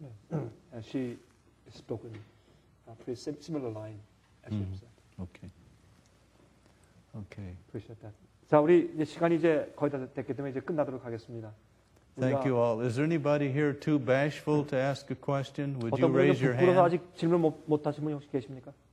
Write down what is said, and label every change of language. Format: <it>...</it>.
<en>And she has spoken a pretty similar line as you said. Okay. Okay. Appreciate that.</en> <ko>자, 우리 이제 시간이 이제 거의 다 됐기 때문에 이제 끝나도록 하겠습니다.</ko> <en>Thank you all. Is there anybody here too bashful to ask a question? Would you raise your hand?</en> <ko>어떤 분이 부끄러워 아직 질문 못 하신 분 혹시 계십니까?</ko>